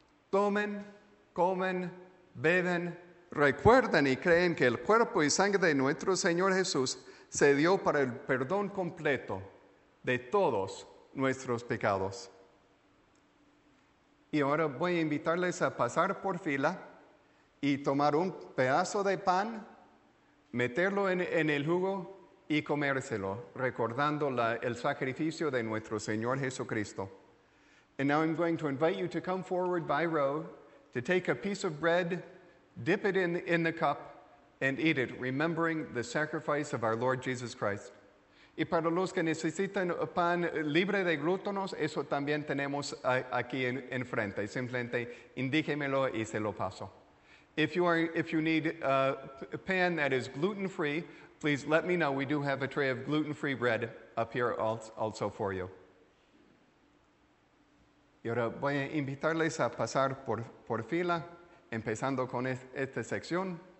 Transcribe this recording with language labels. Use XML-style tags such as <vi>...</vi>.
<es>Tomen, comen, beben, recuerden y creen que el cuerpo y sangre de nuestro Señor Jesús se dio para el perdón completo de todos nuestros pecados. Y ahora voy a invitarles a pasar por fila y tomar un pedazo de pan, meterlo en el jugo y comérselo, recordando el sacrificio de nuestro Señor Jesucristo.</es> <en>And now I'm going to invite you to come forward by row to take a piece of bread, dip it in the cup, and eat it, remembering the sacrifice of our Lord Jesus Christ.</en> <es>Y para los que necesitan pan libre de glútenos, eso también tenemos aquí en frente. Simplemente indíquemelo y se lo paso.</es> <en>If you need a pan that is gluten-free, please let me know. We do have a tray of gluten-free bread up here also for you.</en> <es>Y ahora voy a invitarles a pasar por fila, empezando con esta sección.</es>